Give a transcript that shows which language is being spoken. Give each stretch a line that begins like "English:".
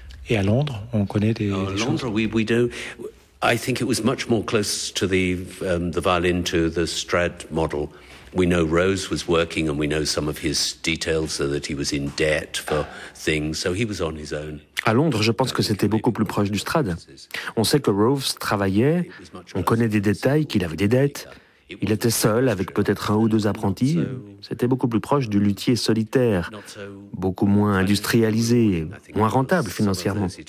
French: Et à Londres, on connaît des choses.
English: I think it was much more close to the violin to the Strad model. We know Rose was working and we know some of his details so that he was in debt for things, so he was on his own.
French: À Londres, je pense que c'était beaucoup plus proche du Strad. On sait que Rose travaillait, on connaît des détails, qu'il avait des dettes. Il était seul avec peut-être un ou deux apprentis. C'était beaucoup plus proche du luthier solitaire, beaucoup moins industrialisé, moins rentable financièrement.